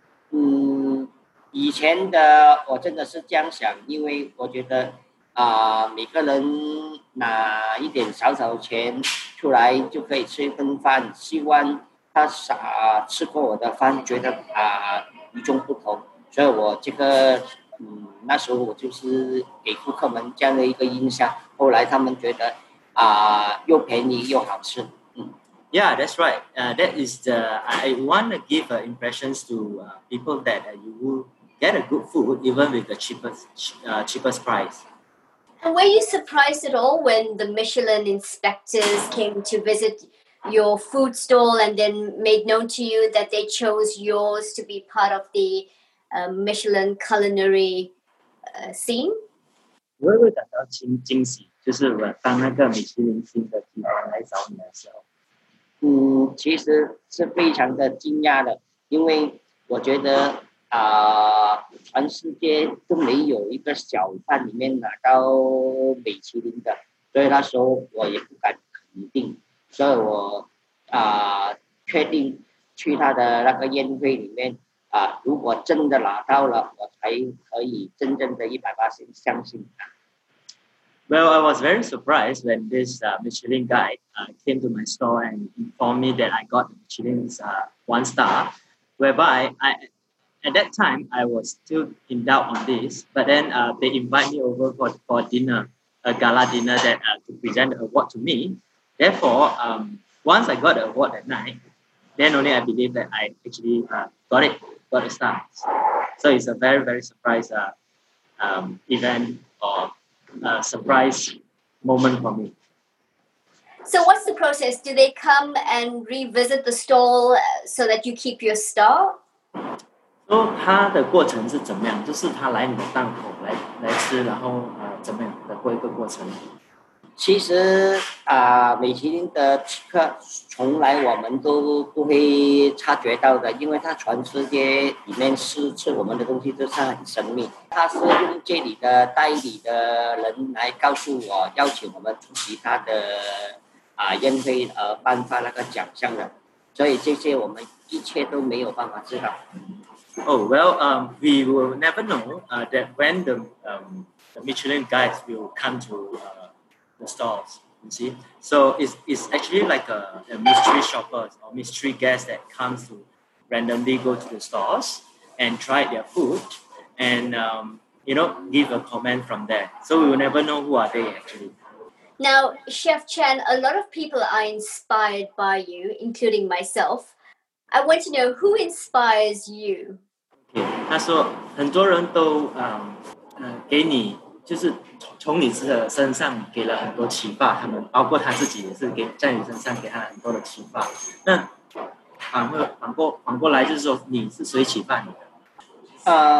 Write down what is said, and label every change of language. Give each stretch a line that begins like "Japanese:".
Chinese: 嗯，以前的我真的是这样想，因为我觉得每个人拿一点小小钱出来就可以吃一顿饭，希望他吃过我的饭，觉得与众不同，所以我这个那时候我就是给顾客们这样的一个印象，后来他们觉得又便宜又好吃。
English: Yeah, that's right. That is the I want to give impressions to people that you will get a good food even with the cheapest price. And were you surprised at all when the Michelin inspectors came to visit your food stall and then made known to you that they chose yours to be part of the Michelin culinary scene?
Chinese: 我会感到惊喜，就是当那个米其林星的地方来找你的时候。其实是非常的惊讶的，因为我觉得全世界都没有一个小贩里面拿到米其林的，所以那时候我也不敢肯定，所以我确定去他的那个宴会里面如果真的拿到了，我才可以真正的100%相信他。
English: Well, I was very surprised when this Michelin guide came to my store and informed me that I got Michelin's one star, whereby at that time, I was still in doubt on this, but then they invite me over for dinner, a gala dinner that to present the award to me. Therefore, once I got the award that night, then only I believe that I actually got a star. So it's a very, very surprise event or a surprise moment for me. So what's the process? Do they come and revisit the stall so that you keep your star?
Chinese: So, 他的过程是怎么样？就是他来你的档口来吃，然后怎么样的过一个过程？其实米其林的吃客从来我们都不会察觉到的，因为他全世界里面吃我们的东西都是很神秘。他是用这里的代理的人来告诉我，邀请我们出席他的宴会而颁发那个奖项的，所以这些我们一切都没有办法知道。
English: Oh well, we will never know that when the Michelin guides will come to the stalls, you see. So it's actually like a mystery shopper or mystery guest that comes to randomly go to the stalls and try their food and, you know, give a comment from there. So we will never know who are they actually. Now, Chef Chen, a lot of people are inspired by you, including myself. I want to know who inspires you. Okay.
Chinese: 他说很多人都给你就是从你的身上给了很多启发，他们包括他自己也是在你身上给他很多的启发。那反过来就是说，你是谁启发你的？